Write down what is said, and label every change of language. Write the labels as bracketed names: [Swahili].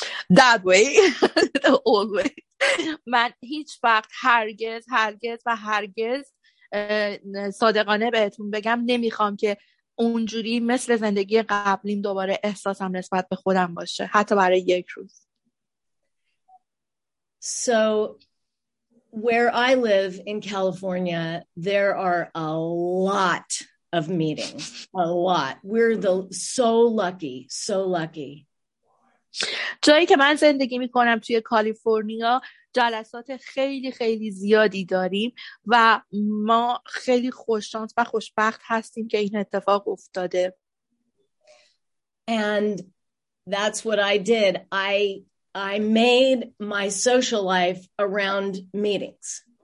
[English] That way. Always. [Persian] من هیچ وقت هرگز هرگز و هرگز صادقانه بهتون بگم نمیخوام که اونجوری مثل زندگی قبلیم دوباره احساسم نسبت به خودم باشه، حتی برای یک روز. [English] So where I live in California, there are a lot of meetings. A lot. We're the so lucky, so lucky. [Persian] جایی که من زندگی میکنم توی کالیفرنیا جلسات خیلی خیلی زیادی داریم و ما خیلی خوششانس و خوشبخت هستیم که این اتفاق افتاده. [English] And that's what I did. I made my social life around meetings.